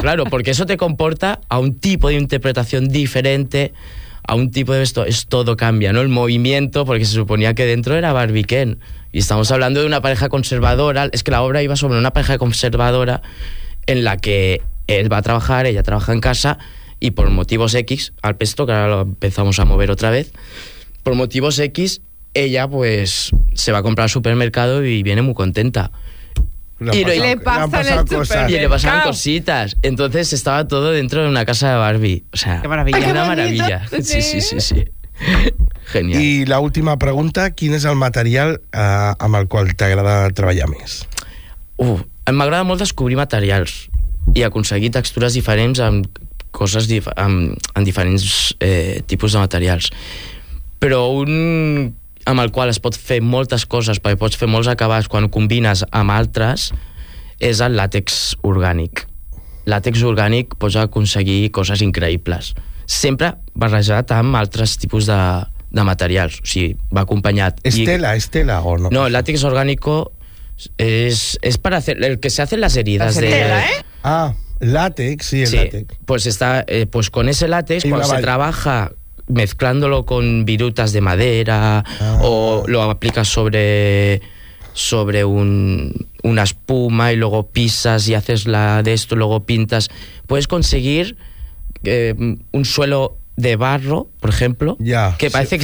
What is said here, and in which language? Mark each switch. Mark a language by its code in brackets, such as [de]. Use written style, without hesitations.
[es] claro, porque eso te comporta a un tipo de interpretación diferente, a un tipo de esto, es todo cambia, ¿no? El movimiento, porque se suponía que dentro era Barbie Ken y estamos hablando de una pareja conservadora, es que la obra iba sobre una pareja conservadora en la que él va a trabajar, ella trabaja en casa y por motivos X, al pesto, que ahora lo empezamos a mover otra vez, por motivos X, ella pues se va a comprar al supermercado y viene muy contenta. Le pasan cositas. Entonces estaba todo dentro de una casa de Barbie. O sea, qué maravilla. Sí, sí, sí, sí. Genial. [ca] Y la última pregunta, [es] ¿quién es el material [ca] amb el qual t'agrada treballar més? M'agrada molt descobrir materials i aconseguir textures diferents amb coses amb diferents tipus de materials. Però un amb el qual es pot fer moltes coses, perquè pots fer molts acabats quan combines amb altres, és el làtex orgànic. Làtex orgànic pots aconseguir coses increïbles. Sempre barrejat amb altres tipus de materials. O sigui, va acompanyat. Estela o no? No, làtex orgànic és per fer el que [es] se hacen [ca] les herides. Estela. Ah, làtex, sí, el sí, làtex. [es] Pues està, pues con ese làtex, [ca] quan se treballa [es] mezclándolo con virutas de madera o lo aplicas sobre una espuma y luego pisas y haces la de esto, luego pintas, puedes conseguir un suelo de barro, por ejemplo, que parece que